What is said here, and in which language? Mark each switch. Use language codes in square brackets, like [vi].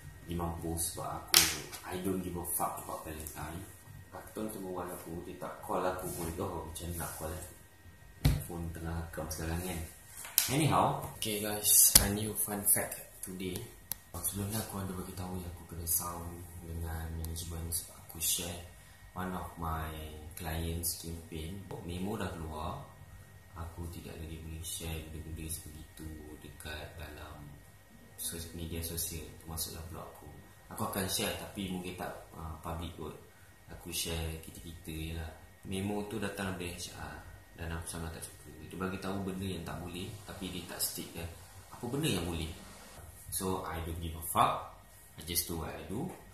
[ms] Memang post sebab aku [en] I don't give a fuck about Valentine. [ms] Katun semua orang aku, dia tak call aku pun. Oh, macam nak call pun tengah kem sekarang kan. [en] Anyhow, okay guys, a new fun fact today. [ms] Sebelum ni aku ada beritahu yang aku kena sound dengan management sebab aku share [en] one of my client's campaign. [ms] Memo dah keluar. Aku tidak lagi boleh share benda-benda sebegitu dekat dalam media sosial, termasuklah blog aku. Aku akan share tapi mungkin tak public kot. Aku share kita-kita je lah. Memo tu datang dari HR dan aku sangat tak suka. Dia bagi tahu benda yang tak boleh tapi dia tak stick kan apa benda yang boleh. [en] So I don't give a fuck, I just do what I do.